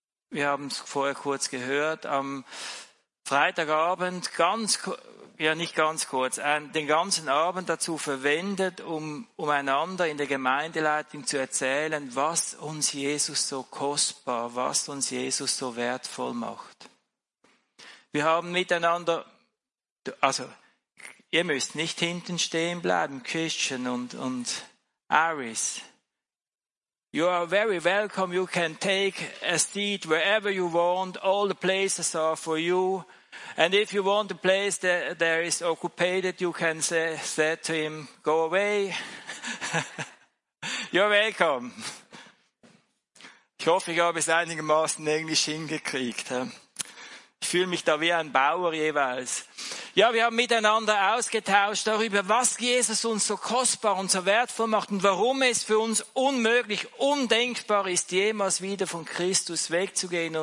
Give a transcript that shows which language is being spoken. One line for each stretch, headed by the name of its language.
German: Wir haben es vorher kurz gehört, am Freitagabend den ganzen Abend dazu verwendet, um einander in der Gemeindeleitung zu erzählen, was uns Jesus so kostbar, was uns Jesus so wertvoll macht. Wir haben miteinander, also ihr müsst nicht hinten stehen bleiben, Christian und Iris.
English: You are very welcome, you can take a seat wherever you want, all the places are for you. And if you want a place that there is occupied, you can say to him, go away. You're welcome.
German: Ich hoffe, ich habe es einigermaßen Englisch hingekriegt. Ich fühle mich da wie ein Bauer jeweils. Ja, wir haben miteinander ausgetauscht darüber, was Jesus uns so kostbar und so wertvoll macht und warum es für uns unmöglich, undenkbar ist, jemals wieder von Christus wegzugehen.